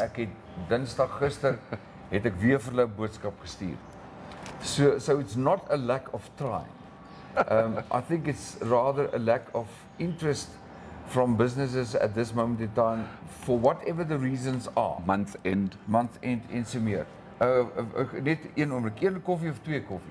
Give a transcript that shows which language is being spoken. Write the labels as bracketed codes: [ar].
[af] ek het Dinsdag gister het ek weer vir hulle boodskap gestuur. [en] So it's not a lack of trying. I think it's rather a lack of interest from businesses at this moment in time for whatever the reasons are. Month end [af] en so meer. Net een oomblik, een koffie of twee koffies?